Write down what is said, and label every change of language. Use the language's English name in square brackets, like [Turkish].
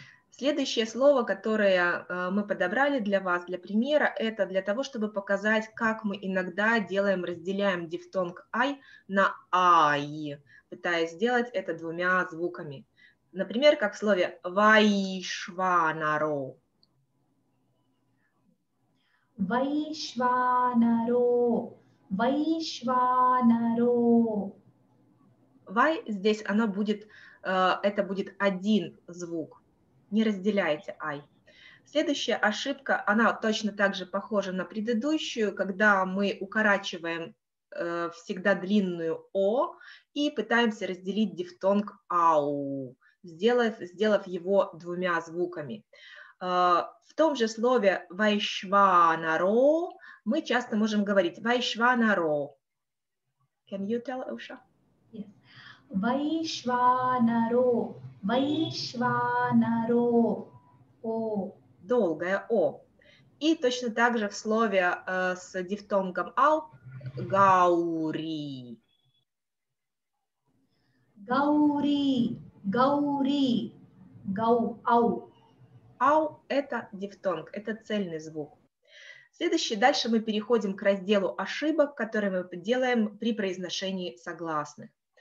[Russian] Следующее слово, которое мы подобрали для вас, для примера, это для того, чтобы показать, как мы иногда делаем, разделяем дифтонг «ай» на «ай», пытаясь сделать это двумя звуками. Например, как в слове «вайшванаро». «Вайшванаро», «вайшванаро». «Вай» здесь, оно будет, это будет один звук. Не разделяйте «ай». Следующая ошибка, она точно так же похожа на предыдущую, когда мы укорачиваем всегда длинную «о» и пытаемся разделить дифтонг «ау», сделав его двумя звуками. В том же слове «вайшванаро» мы часто можем говорить «вайшванаро». [English] Can you tell, Usha? Yes. [Russian] «Вайшванаро», «вайшванаро». О. Долгое «о». И точно так же в слове с дифтонгом «ау» – «гаури». «Гаури». Гаури, гау, ау. Ау – это дифтонг, это цельный звук. Следующий, дальше мы переходим к разделу ошибок, которые мы делаем при произношении согласных.